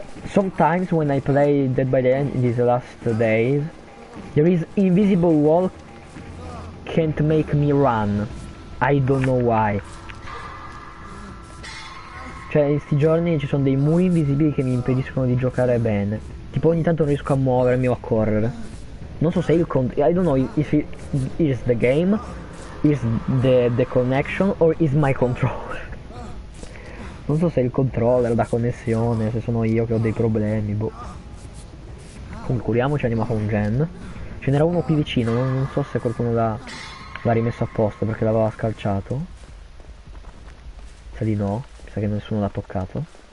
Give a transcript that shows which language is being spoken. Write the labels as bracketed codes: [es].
[en] Sometimes when I play Dead by Daylight in these last days, there is invisible wall can't make me run. I don't know why. [it] Cioè, in sti giorni ci sono dei muri invisibili che mi impediscono di giocare bene. Tipo, ogni tanto non riesco a muovermi o a correre. Non so se il [en] I don't know if it is the game, is the connection, or is my controller. [it] Non so se il controller, la connessione, se sono io che ho dei problemi, boh. Comunque, curiamoci, anima con un gen. Ce n'era uno qui vicino, non so se qualcuno l'ha rimesso a posto perché l'aveva scalciato. Sa di no, sa che nessuno l'ha toccato.